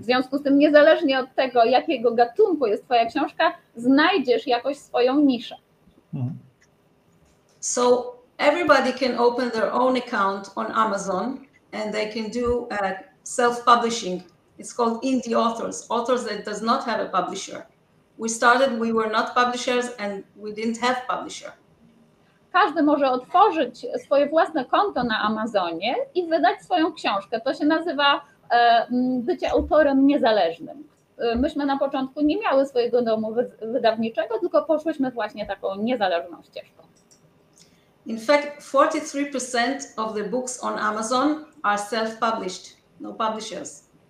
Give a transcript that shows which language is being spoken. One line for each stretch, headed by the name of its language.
Polish: W związku z tym, niezależnie od tego, jakiego gatunku jest twoja książka, znajdziesz jakoś swoją niszę.
English: So everybody can open their own account on Amazon and they can do self-publishing. It's called indie authors, authors that does not have a publisher. We started, we were not publishers and we didn't have publisher.
Polish: Każdy może otworzyć swoje własne konto na Amazonie i wydać swoją książkę. To się nazywa bycie autorem niezależnym. Myśmy na początku nie miały swojego domu wydawniczego, tylko poszłyśmy właśnie taką niezależną ścieżką.
English: In fact, 43% of the books on Amazon are self-published, no publishers.